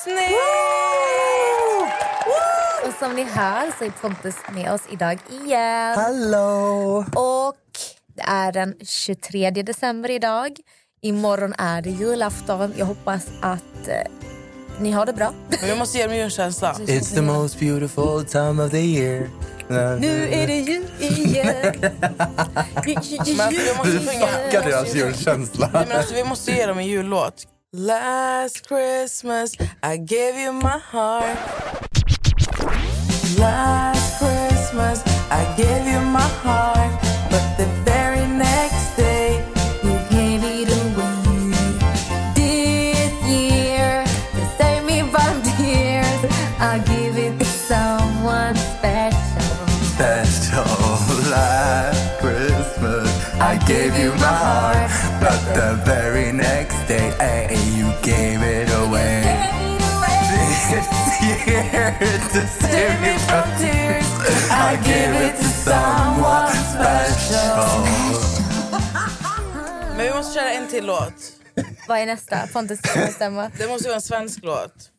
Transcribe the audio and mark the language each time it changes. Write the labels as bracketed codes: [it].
[sv] Och som ni hör så är Pontus med oss idag igen. Hallå! Och det är den 23 december idag. Imorgon är det julafton. Jag hoppas att ni har det bra. Men jag måste ge mig en känsla. [en] It's the most beautiful time of the year. [sv] Nu är det jul igen. Vi fuckade deras julkänsla. Vi måste ge dem en jullåt. [en] Last Christmas I gave you my heart. Last Christmas I gave you my heart. But the very next day you gave it away. This year you saved me from tears. I give it to someone special. Last Christmas I gave you my heart. But the very next day, hey, you gave it away. This year to save me from tears, I give it to someone special. [sv] Men vi måste köra en till låt. Vad är nästa? Pontus ska bestämma. Det måste vara en svensk låt.